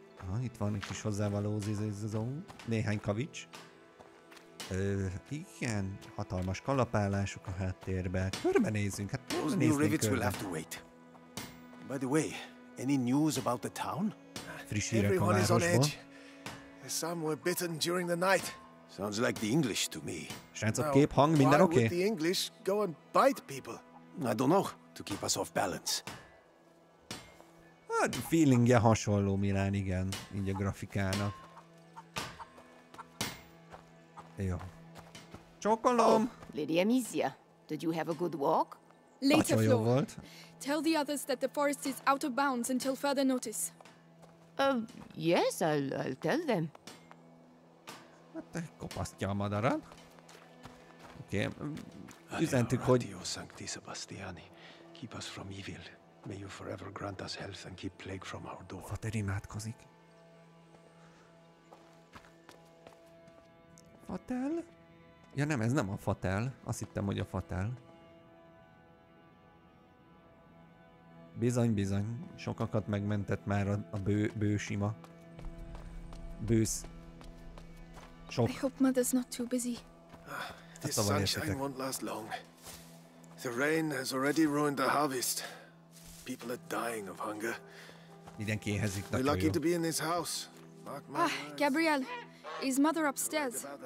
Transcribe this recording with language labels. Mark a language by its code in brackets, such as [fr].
[hu] Ah, itt van egy kis hozzávaló, néhány kavics. Igen, hatalmas kalapálások a háttérbe. Körbenézzünk, hát [en] those new rivets will have to wait. By the way, any news about the town? [hu] Friss hírek a városból. [en] Everyone is on edge. Some were bitten during the night. Sounds like the English to me. [hu] Srácok, kép, hang, minden oké? [en] Why would the English go and bite people? I don't know, to keep us off balance. [hu] Hát, feelingje hasonló Milán, igen, így a grafikának. Jó. Csokolom! [en] Oh, Lady Amicia, did you have a good walk? Later, Flo. Tell the others that the forest is out of bounds until further notice. Yes, I'll tell them. [hu] Hát, kopasztja a madarat. Oké. Okay. Üzentük, hogy... [en] Adio, Sancti Sebastiani. Keep us from evil. May you forever grant us health and keep plague from our door. [hu] Fater imádkozik. Fatel? Ja nem, ez nem a fatel. Azt hittem, hogy a fatel. Bizony, sokakat megmentett már a bő sima. bűz. Sok. [en] I hope mother's not too busy. This sunshine won't last long. The rain has already ruined the harvest. People are dying of hunger. [hu] Mindenki éhezik, nagyon jó. [en] We're lucky to be in this house. Ah, Gabrielle, is mother upstairs?